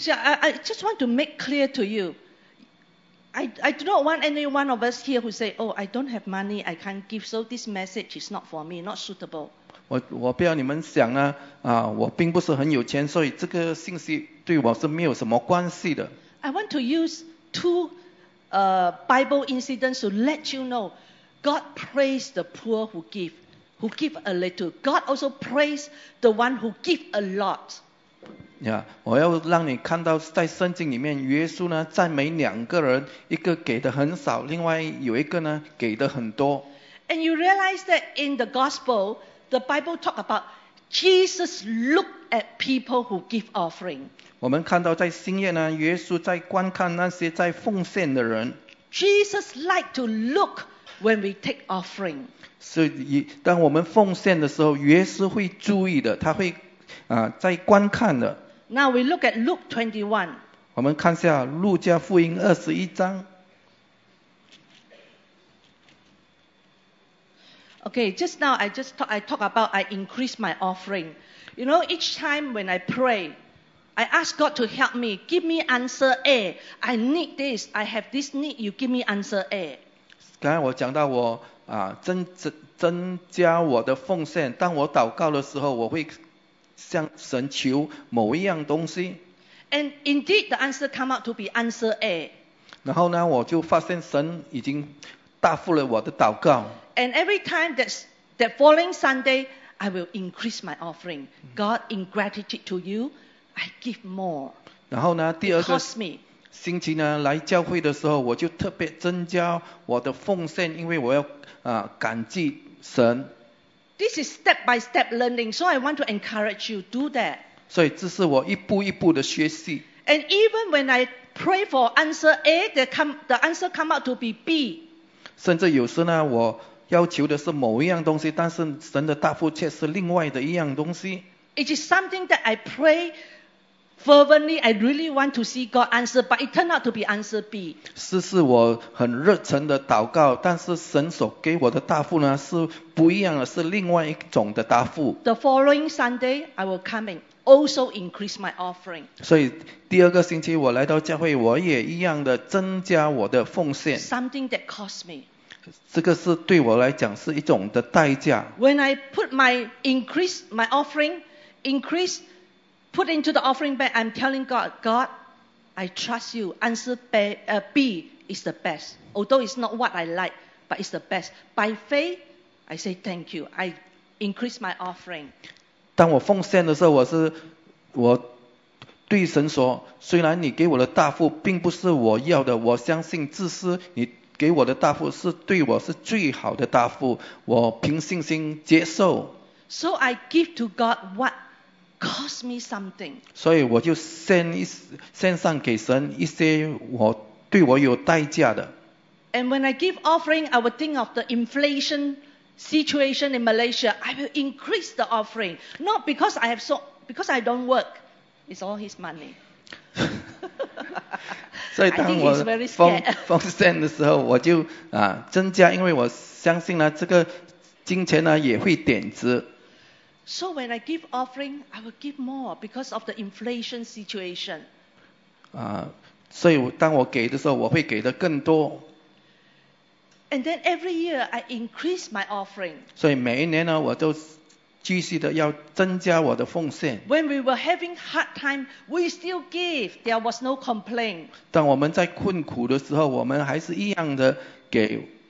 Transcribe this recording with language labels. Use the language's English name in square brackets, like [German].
[English] I just want to make clear to you. I do not want any one of us here who say, oh, I don't have money, I can't give, so this message is not for me, not suitable. [Chinese] 我不要你们想啊，我并不是很有钱，所以这个信息对我是没有什么关系的。 [English] I want to use two Bible incidents to let you know. God praise the poor who give a little. God also praise the one who give a lot. [Chinese] Yeah, 我要让你看到在圣经里面，耶稣呢赞美两个人，一个给的很少，另外有一个呢给的很多。 [English] And you realize that in the gospel, the Bible talk about Jesus look at people who give offering. [Chinese] 我们看到在新约呢，耶稣在观看那些在奉献的人。 [English] Jesus like to look. When we take offering, [Chinese] 所以当我们奉献的时候，耶稣会注意的，他会在观看的。 [English] Now we look at Luke 21. [Chinese] 我们看一下路加福音二十一章。 [English] Okay, just now I talk about I increase my offering. You know, each time when I pray, I ask God to help me, give me answer A. I need this, I have this need. You give me answer A. [Chinese] 刚才我讲到我增加我的奉献，当我祷告的时候，我会向神求某一样东西。 [English] And indeed, the answer come out to be answer A. [Chinese] 然后呢，我就发现神已经答复了我的祷告。 [English] And every time that following Sunday, I will increase my offering. God, in gratitude to you, I give more. [Chinese] 然后呢，第二个。 [English] It costs me. [Chinese] 星期呢来教会的时候，我就特别增加我的奉献，因为我要感激神。 [English] This is step by step learning, so I want to encourage you do that. [Chinese] 所以这是我一步一步的学习。 [English] And even when I pray for answer A, the answer come out to be B. [Chinese] 甚至有时呢，我要求的是某一样东西，但是神的答复却是另外的一样东西。 [English] It is something that I pray fervently. I really want to see God answer, but it turned out to be answer B. [Chinese] 是我很热诚的祷告，但是神所给我的答复呢是不一样的，是另外一种的答复。 [English] The following Sunday, I will come in. Also increase my offering. [Chinese] 所以第二个星期我来到教会，我也一样的增加我的奉献。 [English] Something that cost me. [Chinese] 这个是对我来讲是一种的代价。 [English] When I put my increase my offering, increase put into the offering bank, I'm telling God, God, I trust you. Answer B is the best. Although it's not what I like, but it's the best. By faith, I say thank you. I increase my offering. [Chinese] 当我奉献的时候，我对神说，虽然你给我的答复并不是我要的，我相信自私你给我的答复是对我是最好的答复，我凭信心接受。 [English] So I give to God what cost me something. [Chinese] 所以我就献上给神一些我对我有代价的。 [English] And when I give offering, I would think of the inflation. Situation in Malaysia, I will increase the offering. Not because I have so, because I don't work. It's all his money. So, I think he's very scared. [Chinese] 奉献的时候，我就增加，因为我相信呢，这个金钱呢也会贬值。 [English] So when I give offering, I will give more because of the inflation situation. [Chinese] 所以当我给的时候，我会给的更多。 [English] And then every year I increase my offering. [Chinese] 所以每一年呢，我都继续的要增加我的奉献。 [English] When we were having hard time, we still give. There was no complaint. [Chinese] 当我们在困苦的时候，我们还是一样的给。